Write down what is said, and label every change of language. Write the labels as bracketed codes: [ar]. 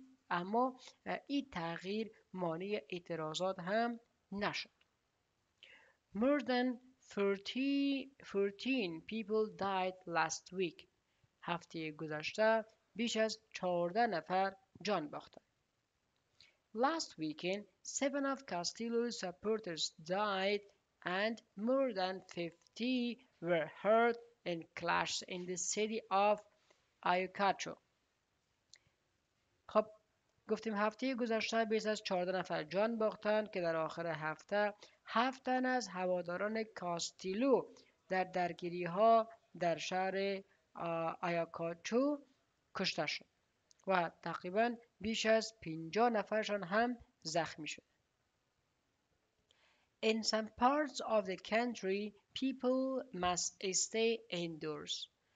[fa] اما ای تغییر مانع اعتراضات هم نشد. [en] More than 14 people died last week. [fa] هفته گذشته بیش از 14 نفر جان باختند. [en] Last weekend, 7 of Castillo's supporters died and more than 50 were hurt in clashes in the city of Ayacucho. [fa] خب گفتیم هفته گذشته بیش از 14 نفر جان باختند که در آخر هفته هفتن از هواداران کاستیلو در درگیری ها در شهر آیاکاچو کشته شد و تقریبا بیش از 50 نفرشان هم زخمی شد. [en] In some parts of the country, people must stay indoors.